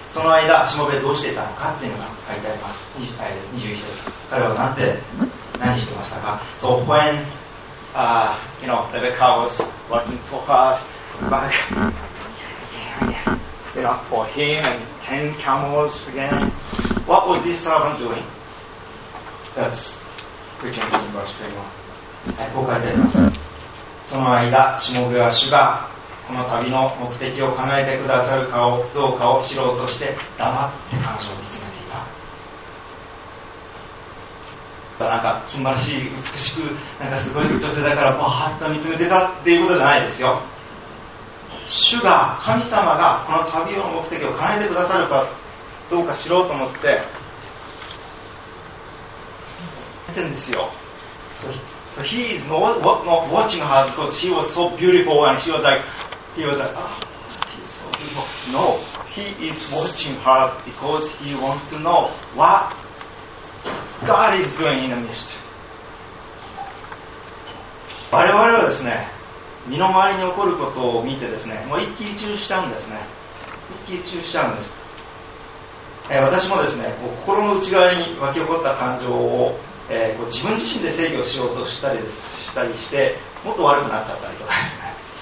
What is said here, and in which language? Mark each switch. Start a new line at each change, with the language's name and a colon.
Japanese: その間しもべどうしてたのかっていうのが書いてあります。21節、彼はなんて何してましたか。
English: So when you know, Rebecca was working so hard back, you know, for him and 10 camels again, what was this servant doing? That's preaching in verse 21.
Japanese: はい、こう書いてあります。その間しもべは主がこの旅の目的を考えてくださるかをどうかを知ろうとして黙って彼女を見つめていた。なんか素晴らしい、美しく、なんかすごい女性だからバーッと見つめてたっていうことじゃないですよ。主が、神様がこの旅の目的を考えてくださるかどうか知ろうと思って見てるんですよ。
English: So he is not watching her because she was so beautiful and he was like, he's so beautiful. No, he is watching her because he wants to know what God is doing in the midst.
Japanese: 我々はですね、身の回りに起こることを見てですね、もう一喜一憂しちゃうんですね。一喜一憂しちゃうんです。私もですね、こう心の内側に湧き起こった感情を、こう自分自身で制御しようとしたりです、したりして、もっと悪くなっちゃったりとかですね。